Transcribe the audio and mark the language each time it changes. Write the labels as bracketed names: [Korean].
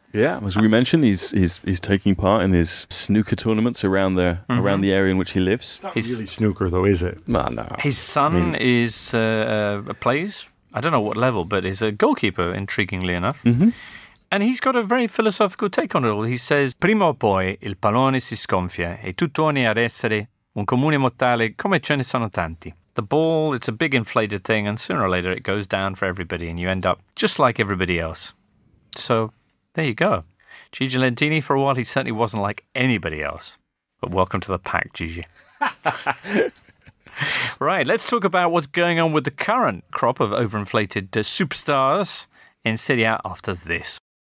[English] Yeah, as we mentioned, he's taking part in his snooker tournaments around the around the area in which he lives. It's not really snooker, though, is it? Nah, no. His son plays, I don't know what level, but is a goalkeeper, intriguingly enough. Mm-hmm. And he's got a very philosophical take on it all. [Italian] He says, prima o poi il pallone si sconfia e tu torni ad essere un comune mortale come ce ne sono tanti. [English] The ball, it's a big inflated thing, and sooner or later it goes down for everybody and you end up just like everybody else. So there you go. Gigi Lentini, for a while, he certainly wasn't like anybody else. But welcome to the pack, Gigi. Right, let's talk about what's going on with the current crop of overinflated superstars in Serie A after this.